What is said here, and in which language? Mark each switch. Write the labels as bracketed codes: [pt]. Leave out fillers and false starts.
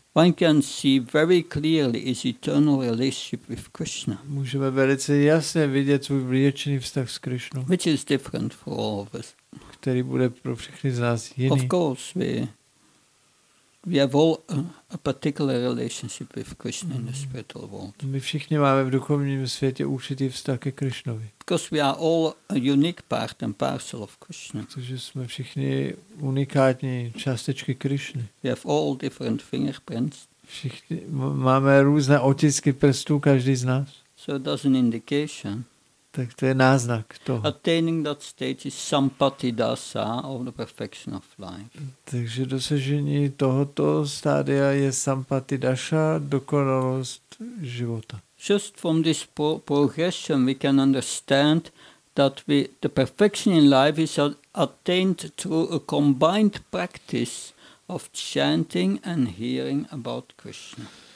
[en] One can see very clearly his eternal relationship with Krishna. [cs] Můžeme velice jasně vidět svůj věčný vztah s Krishnou. [en] Which is different for all of us. [cs] Který bude pro všechny z nás jiný. [en] Of course we have all a particular relationship with Krishna in the spiritual world. [cs] My všichni máme v duchovním světě určitý vztah ke Krishnovi. [en] Because we are all a unique part and parcel of Krishna. [cs] Protože jsme všichni unikátní částečky Krishny. [en] We have all different fingerprints. [cs] Všichni máme různé otisky prstů, každý z nás. [en] So that's an indication. [cs] Tak to je náznak toho. [en] Attaining that state is sampatidasa of the perfection of life. [cs] Takže dosažení tohoto stádia je sampatidasa, dokonalost života. [en] Just from this progression we can understand that the perfection in life is attained through a combined practice of chanting and hearing about Krishna.